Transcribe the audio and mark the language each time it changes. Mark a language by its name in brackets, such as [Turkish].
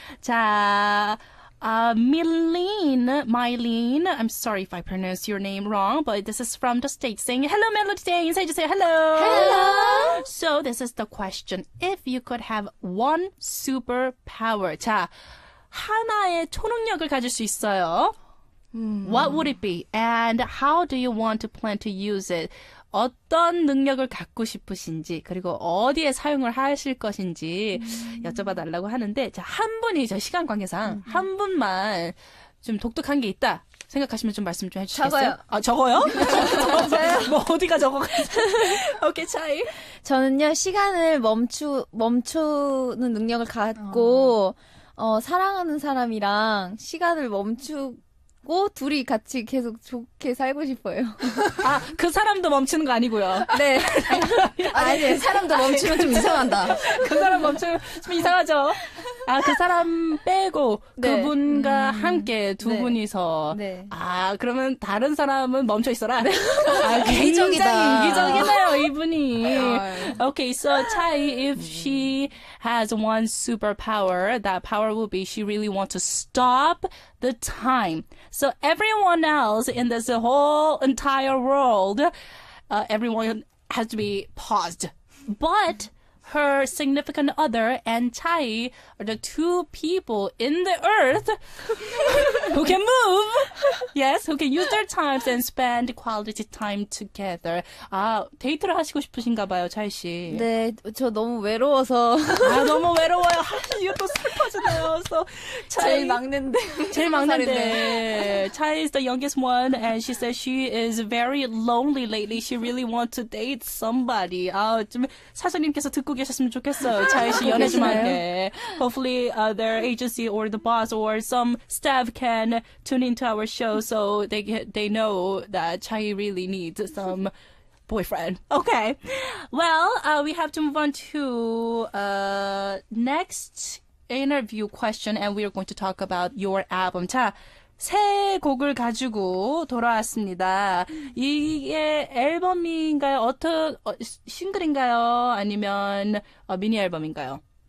[English] 자, Mylene, I'm sorry if I pronounce your name wrong, but this is from the States, saying hello Melody Day. [Korean] 인사해주세요. Hello. [English] Hello. So this is the question: if you could have one superpower, 자. [Korean] 하나의 초능력을 가질 수 있어요. [English] What would it be? And how do you want to plan to use it? [Korean] 어떤 능력을 갖고 싶으신지 그리고 어디에 사용을 하실 것인지 여쭤봐달라고 하는데 자, 한 분이 저 시간 관계상 한 분만 좀 독특한 게 있다 생각하시면 좀 말씀 좀 해주시겠어요? 적어요. 아, 적어요? 맞아요. 뭐 어디가 적어가지고. 오케이, 차이. 저는요, 시간을 멈추는 능력을 갖고 사랑하는 사람이랑 시간을 멈추고 둘이 같이 계속 좋게 살고 싶어요. 아, 그 사람도 멈추는 거 아니고요. 네. 아니, 그 사람도 멈추면 좀 이상한다. 그 사람 멈추면 좀 이상하죠. 아, 그 사람 빼고 그분과 네. 함께 두 네. 분이서. 네. 아, 그러면 다른 사람은 멈춰 있어라. 네. 아, 이기적이다. 굉장히 이기적이네요, 이분이. [English] 오케이, so, Chai, if she has one superpower, that power will be she really wants to stop the time. So everyone else in this whole entire world, everyone has to be paused. But her significant other and Chai are the two people in the earth who can move, yes, who can use their times and spend quality time together. [Korean] 아, 데이트를 하시고 싶으신가 봐요, 차이 씨. 네, 저 너무 외로워서. 아, 너무 외로워요. 아, 이거 또 슬퍼지네요. So, 차이, 제일 막내인데. 제일 막내인데. [English] 차이 is the youngest one and she says she is very lonely lately. She really wants to date somebody. [Korean] 아, 좀 사장님께서 듣고 계셨으면 좋겠어요. 차이 씨 연애 좀 할게. [English] Hopefully their agency or the boss or some staff can tune into our show so they know that Chai really needs some boyfriend. Okay. Well, we have to move on to next interview question and we are going to talk about your album. [Korean] 자, 새 곡을 가지고 돌아왔습니다. 이게 앨범인가요? 싱글인가요? 아니면 미니 앨범인가요?